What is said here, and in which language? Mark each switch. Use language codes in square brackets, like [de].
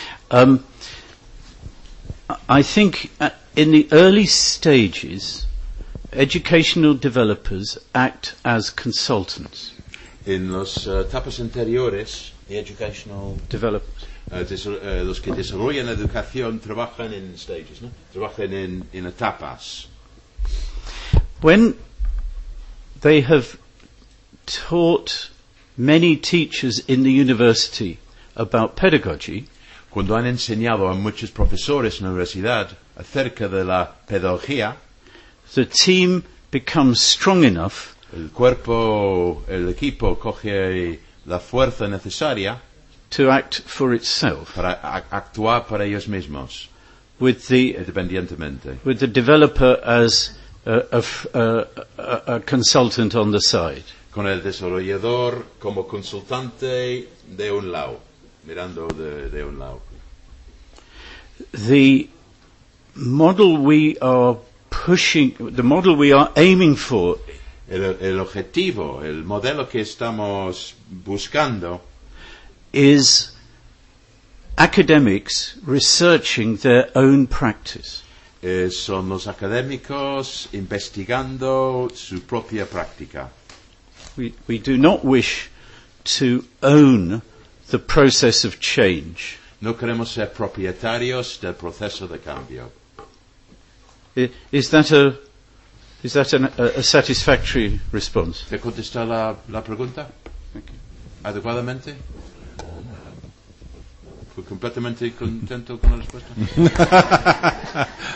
[en] I think in the early stages, educational developers act as consultants. [es] En las etapas anteriores, [en] the educational developers, [es] los que desarrollan la educación trabajan en stages, ¿no? Trabajan en etapas. [en] When they have taught many teachers in the university about pedagogy. [es] Cuando han enseñado a muchos profesores en la universidad acerca de la pedagogía, [en] the team becomes strong enough. [es] El cuerpo, el equipo coge la fuerza necesaria [en] to act for itself. [es] Para actuar para ellos mismos. [en] With the [es] independientemente. [en] With the developer as a consultant on the side. [es] Con el desarrollador como consultante de un lado, mirando de un lado. [en] The model we are pushing, the model we are aiming for, [es] el objetivo, el modelo que estamos buscando, [en] is academics researching their own practice. [es] Son los académicos investigando su propia práctica. [en] We do not wish to own the process of change. [es] No queremos ser propietarios del proceso de cambio. [en] Is that a satisfactory response? [es] ¿Te contesta la pregunta? ¿Adecuadamente? ¿Fue completamente contento con la respuesta?